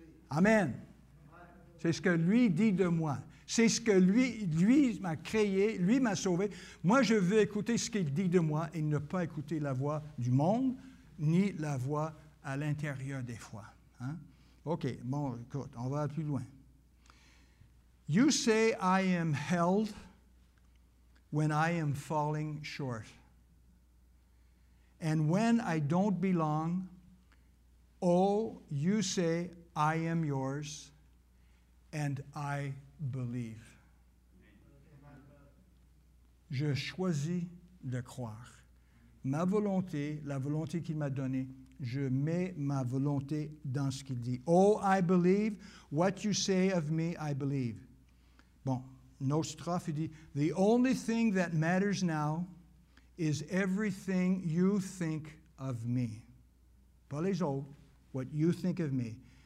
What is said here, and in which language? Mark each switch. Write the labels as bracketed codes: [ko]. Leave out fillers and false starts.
[fr] Amen. C'est ce que lui dit de moi. C'est ce que lui m'a créé, lui m'a sauvé. Moi, je veux écouter ce qu'il dit de moi et ne pas écouter la voix du monde, ni la voix à l'intérieur des fois. Hein? OK, bon, écoute, on va aller plus loin. [en] You say I am held when I am falling short. And when I don't belong, oh, you say I am yours and I believe. [fr] Je choisis de croire. Ma volonté, la volonté qu'il m'a donnée, je mets ma volonté dans ce qu'il dit. [en] Oh, I believe. What you say of me, I believe. [fr] Bon, notre strophe, il dit, [en] the only thing that matters now is everything you think of me. [fr] Pas les autres, [en] what you think of me.